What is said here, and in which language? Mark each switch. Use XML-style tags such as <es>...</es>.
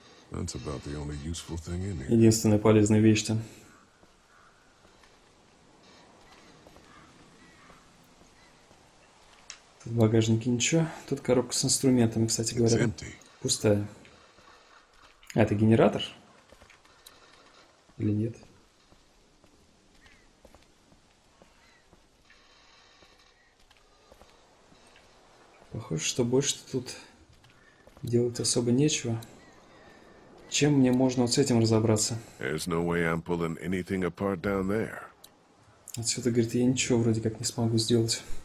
<en>That's about the only useful thing in here.</en> <ru>Единственная полезная вещь-то. Тут в багажнике ничего. Тут коробка с инструментами, кстати говоря.</ru> <en>It's empty.</en> <ru>Пустая. А это генератор? Или нет? Похоже, что больше тут делать особо нечего. Чем мне можно вот с этим разобраться?</ru> <en>There's no way I'm pulling anything apart down there.</en> <ru>Отсюда, говорит, я ничего вроде как не смогу сделать.</ru>